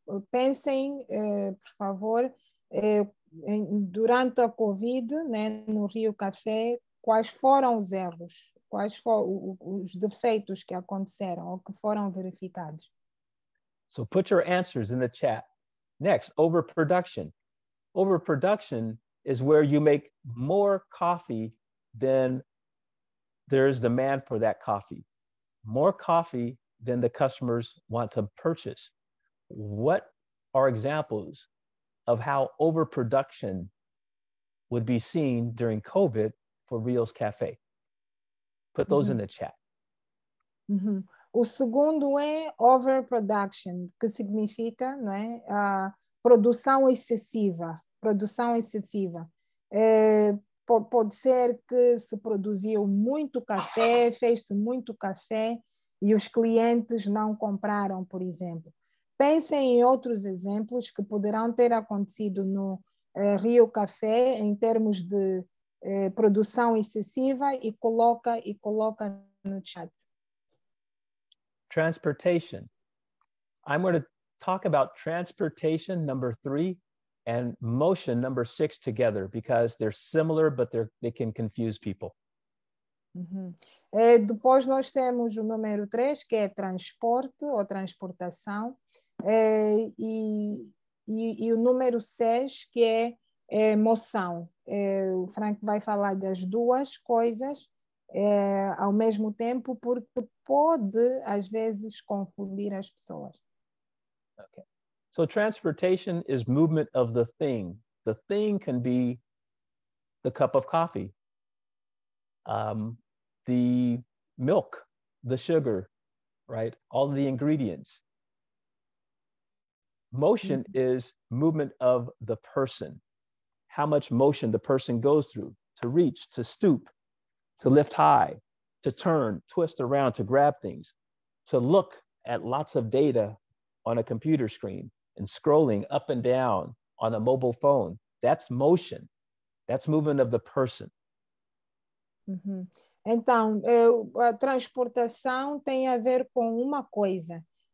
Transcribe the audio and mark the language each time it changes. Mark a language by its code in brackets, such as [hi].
[pt] Pensem, por favor, durante a COVID, né, no Rio Café, quais foram os erros, quais foram os defeitos que aconteceram ou que foram verificados. [en] So put your answers in the chat. Next, overproduction. Overproduction is where you make more coffee than there is demand for that coffee. More coffee than the customers want to purchase. What are examples of how overproduction would be seen during COVID for Rio's Cafe? Put those in the chat. [pt] O segundo é overproduction, que significa, não é, produção excessiva. Produção excessiva. Pode ser que se produziu muito café, fez-se muito café, e os clientes não compraram, por exemplo. Pensem em outros exemplos que poderão ter acontecido no Rio Café em termos de produção excessiva e coloca no chat. [en] Transportation. I'm going to talk about transportation number 3 and motion number 6 together because they're similar, but they can confuse people. Uhum. [pt] Depois nós temos o número 3, que é transporte ou transportação, e o número 6, que é moção. O Frank vai falar das duas coisas ao mesmo tempo, porque pode, às vezes, confundir as pessoas. [en] Okay. So transportation is movement of the thing. The thing can be the cup of coffee. The milk, the sugar, right? All the ingredients. Motion is movement of the person. How much motion the person goes through to reach, to stoop, to lift high, to turn, twist around, to grab things, to look at lots of data on a computer screen and scrolling up and down on a mobile phone. That's motion. That's movement of the person. Mm-hmm. [pt] Então, a transportação tem a ver com uma coisa.